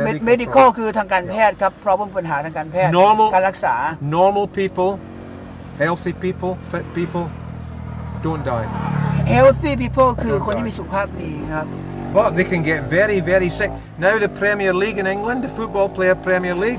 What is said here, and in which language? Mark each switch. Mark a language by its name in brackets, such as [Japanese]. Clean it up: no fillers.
[Thai] Medical คือทางการแพทย์ครับ Problem ปัญหาทางการแพทย์ [English] Normal [Thai] การรักษา [English] Normal people, healthy people, fit people, don't die. Healthy people [Thai] คือคนที่มีสุขภาพดีครับ [English] But they can get very, very sick. Now the Premier League in England, the football player Premier League.